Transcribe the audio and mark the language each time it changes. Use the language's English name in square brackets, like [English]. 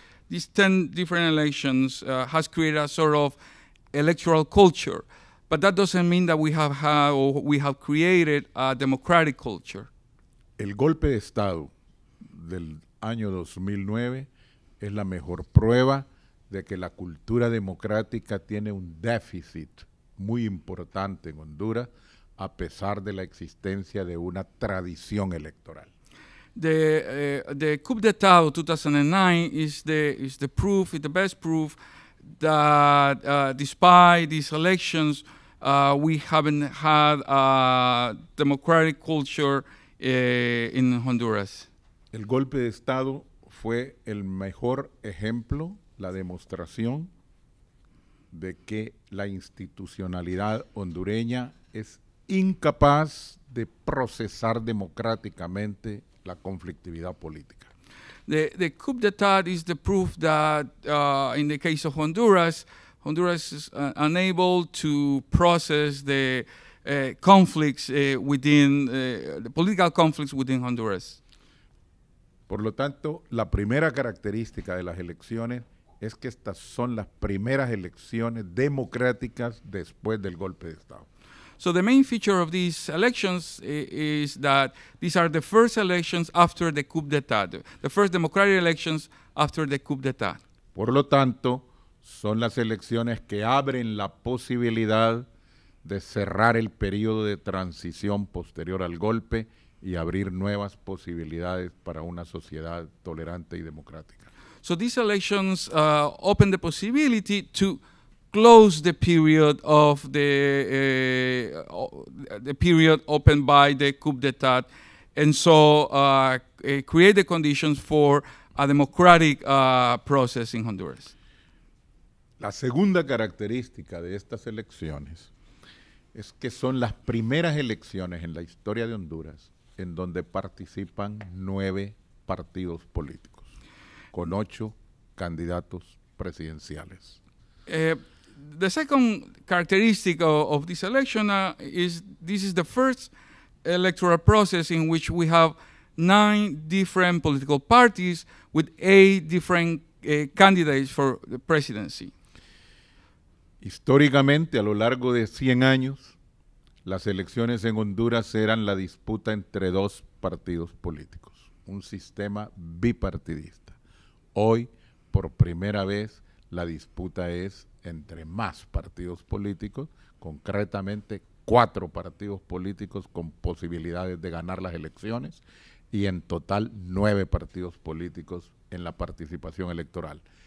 [English] These 10 different elections has created a sort of electoral culture. But that doesn't mean that we have created a democratic culture. [Spanish] El golpe de Estado del año 2009 es la mejor prueba de que la cultura democrática tiene un déficit muy importante en Honduras, a pesar de la existencia de una tradición electoral. [English] The coup d'etat of 2009 is the best proof that despite these elections, we haven't had a democratic culture in Honduras. [Spanish] El golpe de Estado fue el mejor ejemplo, la demostración de que la institucionalidad hondureña es incapaz de procesar democráticamente la conflictividad política. [English] The coup d'etat is the proof that in the case of Honduras is unable to process the conflicts within the political conflicts within Honduras. [Spanish] Por lo tanto, la primera característica de las elecciones es que estas son las primeras elecciones democráticas después del golpe de Estado. [English] So the main feature of these elections is that these are the first elections after the coup d'etat, the first democratic elections after the coup d'etat. [Spanish] Por lo tanto, son las elecciones que abren la posibilidad de cerrar el periodo de transición posterior al golpe y abrir nuevas posibilidades para una sociedad tolerante y democrática. [English] So these elections open the possibility to close the period of the period opened by the coup d'etat, and so create the conditions for a democratic process in Honduras. [Spanish] La segunda característica de estas elecciones es que son las primeras elecciones en la historia de Honduras en donde participan 9 partidos políticos. Con 8 candidatos presidenciales. [English] The second characteristic of this election is the first electoral process in which we have 9 different political parties with 8 different candidates for the presidency. [Spanish] Históricamente, a lo largo de 100 años, las elecciones en Honduras eran la disputa entre 2 partidos políticos, un sistema bipartidista. Hoy, por primera vez, la disputa es entre más partidos políticos, concretamente 4 partidos políticos con posibilidades de ganar las elecciones, y en total 9 partidos políticos en la participación electoral.